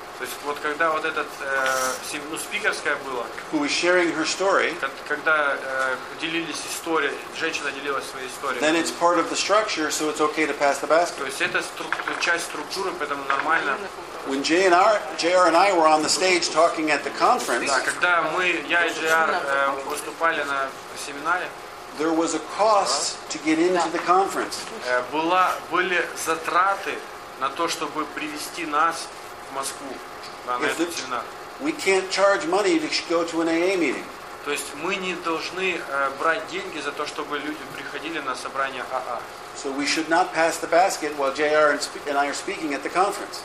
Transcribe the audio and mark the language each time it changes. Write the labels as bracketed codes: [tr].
[ru] то есть вот когда вот этот спикерская была, [en] who was sharing her story, [ru] когда делились историей, женщина делилась своей историей, [en] then it's part of the structure, so it's okay to pass the basket. [ru] То есть это часть структуры, поэтому нормально. [en] When JR and I were on the stage talking at the conference, [ru] да, когда мы, я и JR выступали на семинаре, [en] there was a cost to get into the conference. [ru] Были затраты на то, чтобы привести нас в Москву на этот семинар. [en] We can't charge money to go to an AA meeting. [ru] То есть мы не должны брать деньги за то, чтобы люди приходили на собрание АА. [en] So we should not pass the basket while JR and I are speaking at the conference.